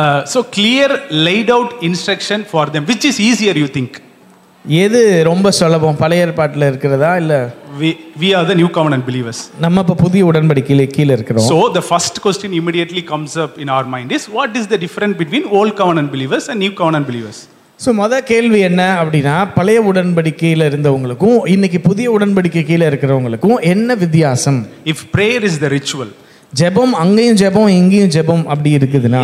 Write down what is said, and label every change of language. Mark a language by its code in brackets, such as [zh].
[en] So clear laid out instruction for them, which is easier you think? [ta] எது ரொம்ப சுலபம், பழைய ஏற்பாட்டில் இருக்கிறதா இல்ல? [en] We are the new covenant believers. [ta] நம்ம இப்ப புதிய உடன்படிக்கையிலே கீழ இருக்கிறோம். [en] So the first question immediately comes up in our mind is, what is the difference between old covenant believers and new covenant believers? [ta] So mother கேள்வி என்ன அப்படின்னா பழைய உடன்படிக்கையில இருந்தவங்களுக்கும் இன்னைக்கு புதிய உடன்படிக்கை கீழே இருக்கிறவங்களுக்கும் என்ன வித்தியாசம்? [en] If prayer is the ritual, [ta] ஜெபம் அங்கேயும் ஜெபம் இங்கேயும் ஜெபம் அப்படி இருக்குதுன்னா